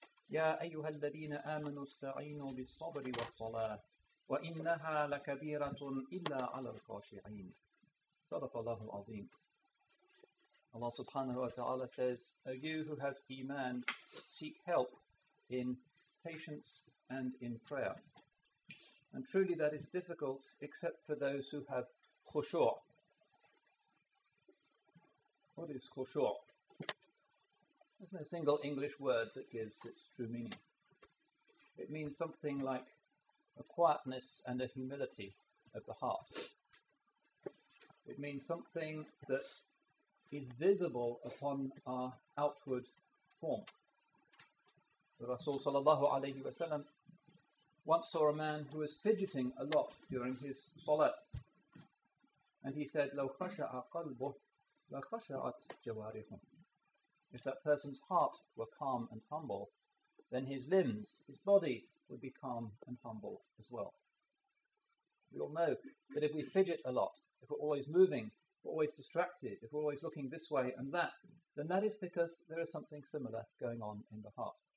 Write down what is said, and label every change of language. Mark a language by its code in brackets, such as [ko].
[ar] يا أيها الذين آمنوا استعينوا بالصبر والصلاة وإنها لكبيرة إلا على الخاشعين. صدق الله العظيم. [en] Allah subhanahu wa ta'ala says, O you who have iman, seek help in patience and in prayer. And truly that is difficult except for those who have khushu'. What is khushu'? There's no single English word that gives its true meaning. It means something like a quietness and a humility of the heart. It means something that is visible upon our outward form. The Rasul sallallahu alayhi wa sallam once saw a man who was fidgeting a lot during his salat. And he said, [ar] لَوْ خَشَعَ قَلْبُهُ لَخَشَعَتْ جَوَارِهُ. [en] If that person's heart were calm and humble, then his limbs, his body, would be calm and humble as well. We all know that if we fidget a lot, if we're always moving, we're always distracted, if we're always looking this way and that, then that is because there is something similar going on in the heart.